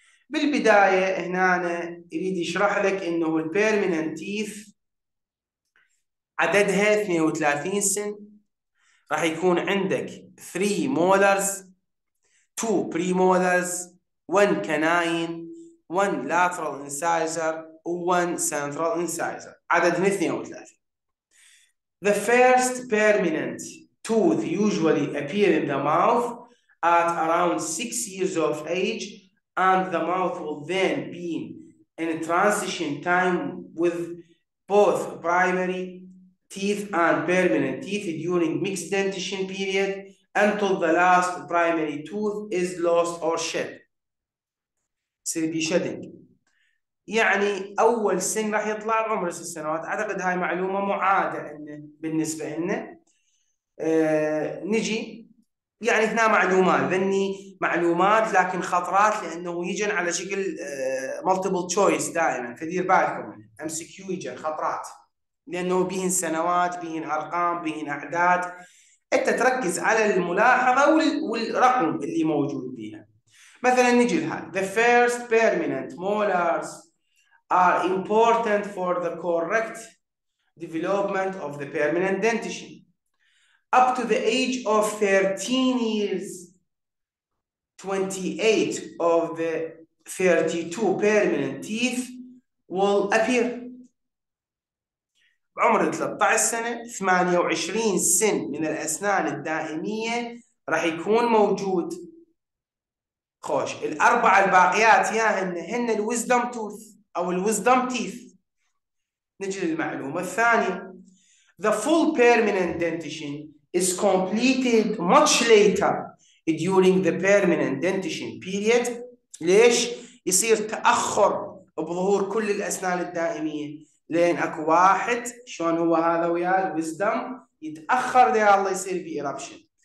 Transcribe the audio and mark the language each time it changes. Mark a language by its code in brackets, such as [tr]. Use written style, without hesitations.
[ar] بالبدايه هنا أنا اريد اشرح لك انه البيرمننت تيث عددها 32 سن، راح يكون عندك [en] 3 مولرز 2 بري مولرز 1 كناين 1 لاترال انسايزر وان سنترال انسايزر، [ar] عددهم 32. [en] The first permanent tooth usually appear in the mouth at around 6 years of age and the mouth will then be in a transition time with both primary teeth and permanent teeth during mixed dentition period until the last primary tooth is lost or shed. [ar] يصير بيشدنج. يعني اول سن راح يطلع عمره 6 سنوات، اعتقد هاي معلومه معاده انه بالنسبه لنا. نجي يعني هنا معلومات، ذني معلومات لكن خطرات لانه يجن على شكل مالتيبل تشويس دائما، فدير بالكم ام سي كيو يجن خطرات لانه بيهن سنوات بيهن ارقام بيهن اعداد، انت تركز على الملاحظه والرقم اللي موجود بيها. مثلا نجي لها [en] the first permanent molars are important for the correct development of the permanent dentition. Up to the age of 13 years, 28 of the 32 permanent teeth will appear. [ar] بعمر 13 سنة 28 سن من الأسنان الدائمية راح يكون موجود. خوش، الأربعة الباقيات يا هن الويزدم توث أو الوزدم تيث. نجي للمعلومة الثانية. [en] The full permanent dentition is completed much later during the permanent dentition period. [ar] ليش يصير تأخر بظهور كل الأسنان الدائمية؟ لأن أكو واحد شلون هو هذا وياه الوزدم يتأخر، ده الله يصير في إيربشن.